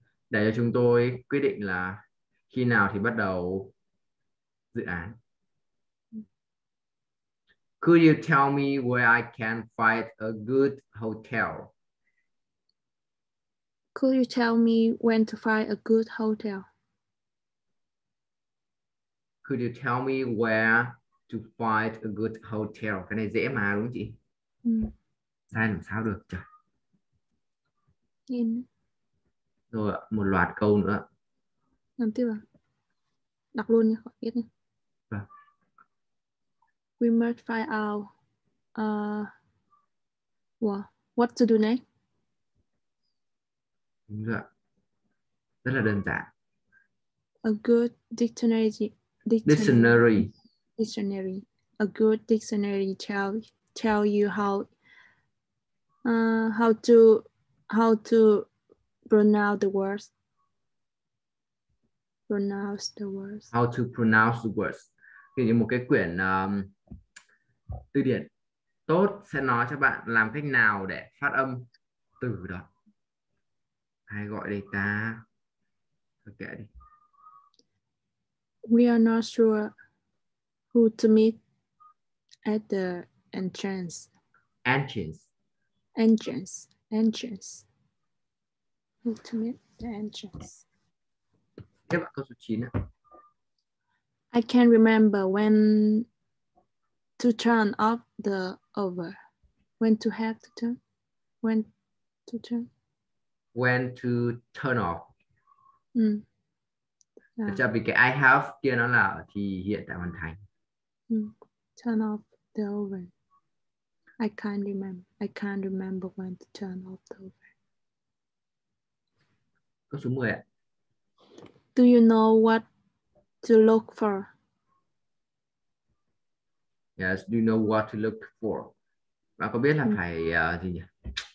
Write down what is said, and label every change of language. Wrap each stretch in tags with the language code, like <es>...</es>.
<vi>Để cho chúng tôi quyết định là khi nào thì bắt đầu dự án.</vi> <en>Could you tell me where I can find a good hotel? Could you tell me when to find a good hotel? Could you tell me where to find a good hotel?</en> <vi>Cái này dễ mà đúng không chị? Sai làm sao được trời. Nhìn. Rồi ạ, một loạt câu nữa. Làm tiếp à? Đọc luôn nha, khỏi biết nha.</vi> <en>We must find out what to do next.</en> <vi>Đúng rồi ạ. Rất là đơn giản.</vi> <en>A good dictionary. A good dictionary tell you how to pronounce the words. How to pronounce the words.</en> <vi>Thì một cái quyển từ điển tốt sẽ nói cho bạn làm cách nào để phát âm từ đó. Hay gọi đây ta. Ok đi.</vi> <en>We are not sure who to meet at the entrance. Entrance. Who to meet the entrance?</en> <vi>Các bạn câu số 9 ạ.</vi> <en>I can't remember when to turn off the over. When to turn off.</en> <vi>Ừ.</vi> <en>Yeah.</en> <vi>Chắc vì cái</vi> <en>I have</en> <vi>kia nó là thì hiện tại hoàn thành.</vi> <en>Turn off the oven. I can't remember when to turn off the oven.</en> <vi>Câu số 10 ạ.</vi> <en>Do you know what to look for? Yes, do you know what to look for?</en> <vi>Bạn có biết là phải gì nhỉ?</vi>